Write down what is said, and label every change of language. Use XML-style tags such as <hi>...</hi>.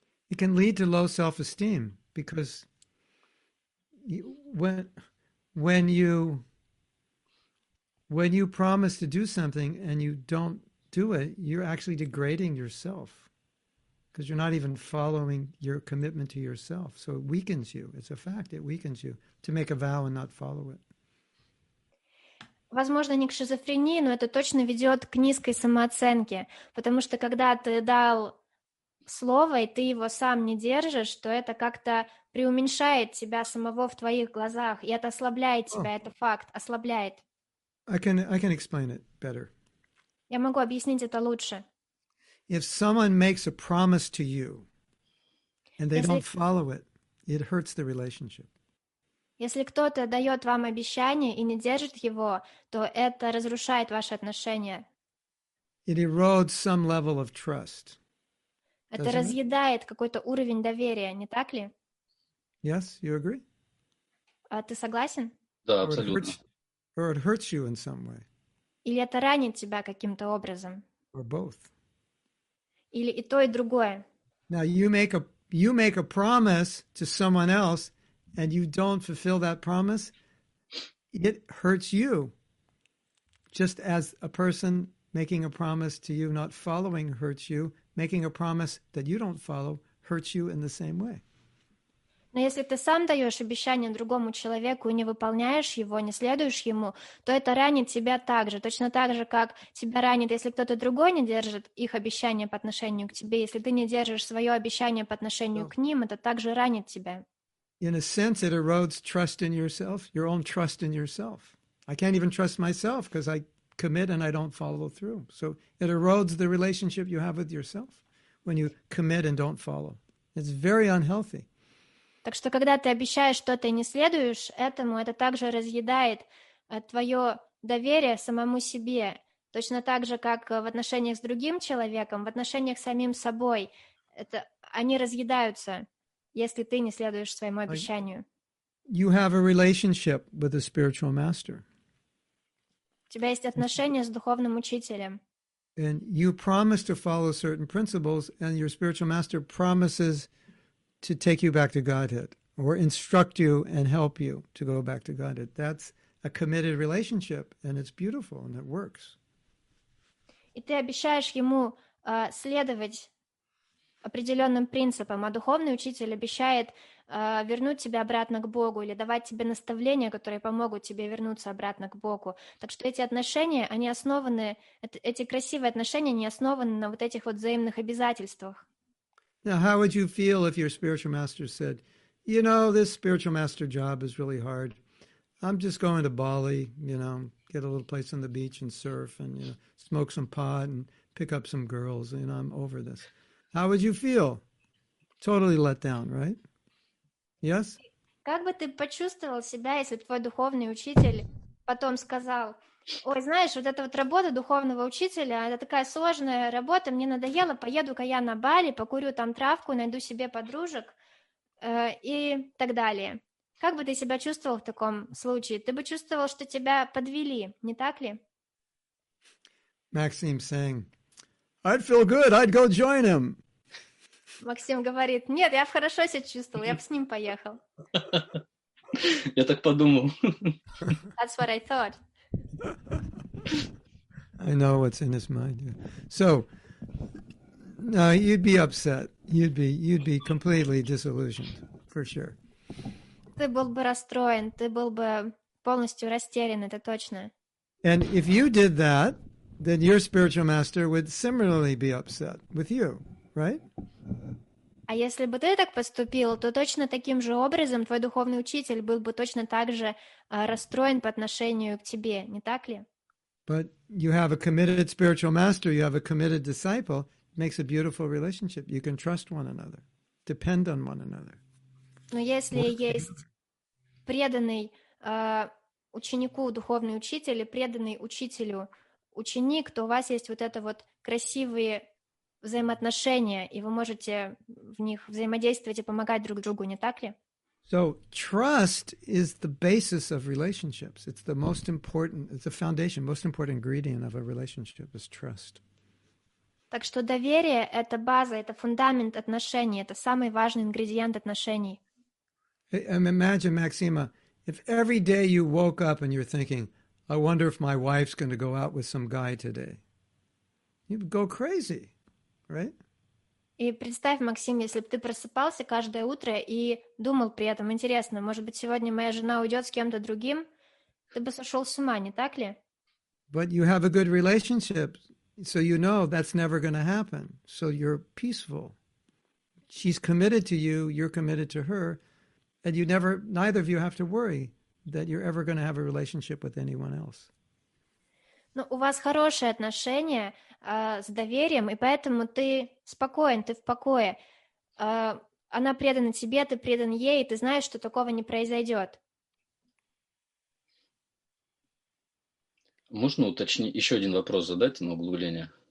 <en>it can lead to low self-esteem because when you promise to do something and you don't do it, you're actually degrading yourself because you're not even following your commitment to yourself. So it weakens you. It's a fact. It weakens you to make a vow and not follow it.</en> <ru>Возможно, не к шизофрении, но это точно ведет к низкой самооценке, потому что когда ты дал слово, и ты его сам не держишь, то это как-то преуменьшает тебя самого в твоих глазах, и это ослабляет тебя, это факт, ослабляет.</ru> <en>I can explain it better.</en> <ru>Я могу объяснить это лучше.</ru> <en>If someone makes a promise to you and they don't follow it, it hurts the relationship.</en> <ru>Если кто-то дает вам обещание и не держит его, то это разрушает ваши отношения.</ru> <en>It erodes some level of trust.</en> <ru>Это разъедает какой-то уровень доверия, не так ли?</ru> <en>Yes, you agree?</en> <ru>А ты согласен? Да, абсолютно.</ru> <en>Or it hurts you in some way.</en> <ru>Или это ранит тебя каким-то образом?</ru> <en>Or both.</en> <ru>Или и то, и другое.</ru> <en>Now you make a promise to someone else, and you don't fulfill that promise, it hurts you. Just as a person making a promise to you not following hurts you, making a promise that you don't follow hurts you in the same way.</en> <ru>Но если ты сам даешь обещание другому человеку и не выполняешь его, не следуешь ему, то это ранит тебя так же, точно так же, как тебя ранит, если кто-то другой не держит их обещание по отношению к тебе. Если ты не держишь свое обещание по отношению к ним, это также ранит тебя.</ru> <en>In a sense, it erodes trust in yourself, your own trust in yourself. I can't even trust myself because I commit and I don't follow through. So it erodes the relationship you have with yourself when you commit and don't follow. It's very unhealthy.</en> <ru>Так что, когда ты обещаешь что-то и не следуешь этому, это также разъедает твое доверие самому себе. Точно так же, как в отношениях с другим человеком, в отношениях с самим собой. Это, они разъедаются, если ты не следуешь своему обещанию.</ru> <en>You have a relationship with a spiritual master.</en> <ru>У тебя есть отношения с духовным учителем.</ru> <en>And you promise to follow certain principles, and your spiritual master promises to take you back to Godhead, or instruct you and help you to go back to Godhead. That's a committed relationship, and it's beautiful, and it works.</en> <ru>И ты обещаешь ему следовать определенным принципам, а духовный учитель обещает вернуть тебя обратно к Богу или давать тебе наставления, которые помогут тебе вернуться обратно к Богу. Так что эти отношения, они основаны, эти красивые отношения, они основаны на вот этих вот взаимных обязательствах.</ru> <en>Now, how would you feel if your spiritual master said, you know, this spiritual master job is really hard. I'm just going to Bali, you know, get a little place on the beach and surf and, you know, smoke some pot and pick up some girls, and I'm over this. How would you feel? Totally let down, right? Yes?</en> <ru>Как бы ты почувствовал себя, если твой духовный учитель потом сказал... Ой, знаешь, вот эта вот работа духовного учителя, это такая сложная работа, мне надоело, поеду-ка я на Бали, покурю там травку, найду себе подружек и так далее. Как бы ты себя чувствовал в таком случае? Ты бы чувствовал, что тебя подвели, не так ли?</ru> <en>Максим saying, I'd feel good, I'd go join him.</en> <ru>Максим говорит, нет, я бы хорошо себя чувствовал, я бы с ним поехал. Я так подумал.</ru> <en>That's what I thought. I know what's in his mind. So, no, you'd be upset. You'd be completely disillusioned, for sure.</en> <ru>Ты был бы расстроен, ты был бы полностью растерян, это точно.</ru> <en>And if you did that, then your spiritual master would similarly be upset with you, right?</en> <ru>А если бы ты так поступил, то точно таким же образом твой духовный учитель был бы точно так же расстроен по отношению к тебе, не так ли?</ru> <en>But you have a committed spiritual master, you have a committed disciple, it makes a beautiful relationship. You can trust one another, depend on one another.</en> <ru>Но если есть преданный ученику духовный учитель или преданный учителю ученик, то у вас есть вот это вот красивые взаимоотношения, и вы можете в них взаимодействовать и помогать друг другу, не так ли?</ru> <en>So trust is the basis of relationships. It's the most important, it's the foundation, most important ingredient of a relationship is trust.</en> <ru>Так что доверие — это база, это фундамент отношений, это самый важный ингредиент отношений.</ru> <en>Imagine, Maxima, if every day you woke up and you're thinking, I wonder if my wife's going to go out with some guy today. You'd go crazy. Right?</en> <ru>И представь, Максим, если бы ты просыпался каждое утро и думал при этом, интересно, может быть, сегодня моя жена уйдет с кем-то другим, ты бы сошел с ума, не так ли?</ru> <en>But you have a good relationship, so you know that's never going to happen. So you're peaceful. She's committed to you, you're committed to her, and you never, neither of you have to worry that you're ever going to have a relationship with anyone else.</en> <ru>Но у вас хорошие отношения с доверием, и поэтому ты спокоен, ты в покое. Она предана тебе, ты предан ей, и ты знаешь, что такого не произойдет. Можно уточнить еще один вопрос задать на углубление?</ru>